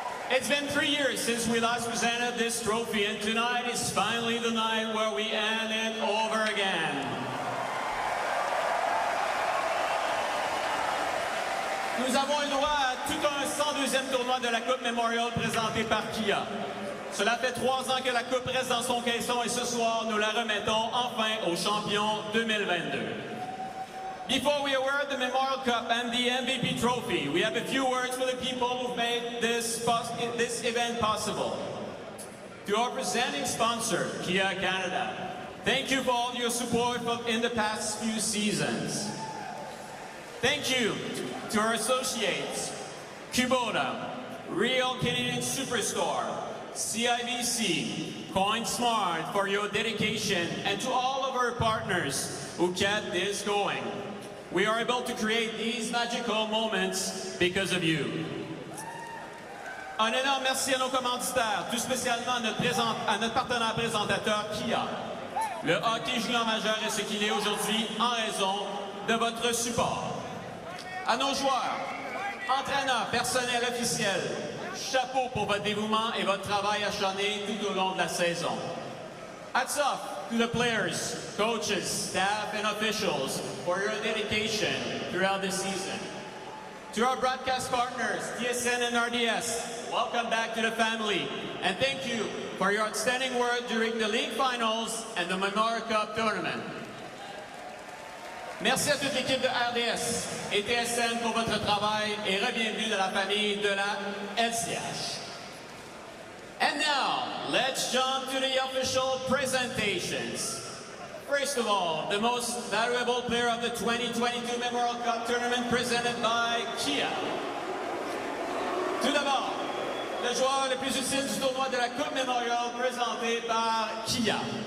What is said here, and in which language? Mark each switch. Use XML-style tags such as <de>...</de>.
<en>It's been 3 years since we last presented this trophy, and tonight is finally the night where we end it over again.</en> <fr>Nous avons le droit à tout un 102e tournoi de la Coupe Memorial présenté par Kia. Cela fait 3 ans que la Coupe reste dans son caisson, et ce soir, nous la remettons enfin au champion 2022.</fr> <en>Before we award the Memorial Cup and the MVP trophy, we have a few words for the people who made this event possible. To our presenting sponsor, Kia Canada, thank you for all your support in the past few seasons. Thank you to our associates, Kubota, Real Canadian Superstore, CIBC, CoinSmart, for your dedication, and to all of our partners who kept this going. We are able to create these magical moments because of you.</en> <fr>Un énorme merci à nos commanditaires, tout spécialement à notre partenaire présentateur, Kia. Le hockey junior majeur est ce qu'il est aujourd'hui en raison de votre support. À nos joueurs, entraîneurs, personnel officiel, chapeau pour votre dévouement et votre travail acharné tout au long de la saison.</fr> <en>Hats off to the players, coaches, staff, and officials for your dedication throughout the season. To our broadcast partners, TSN and RDS, welcome back to the family, and thank you for your outstanding work during the league finals and the Memorial Cup tournament.</en> <fr>Merci à toute l'équipe de RDS et TSN pour votre travail, et re-bienvenue de la famille de la LCH.</fr> <en>And now, let's jump to the official presentations. First of all, the most valuable player of the 2022 Memorial Cup tournament presented by Kia.</en> <fr>Tout d'abord, le joueur le plus utile du tournoi de la Coupe Memorial présenté par Kia.</fr>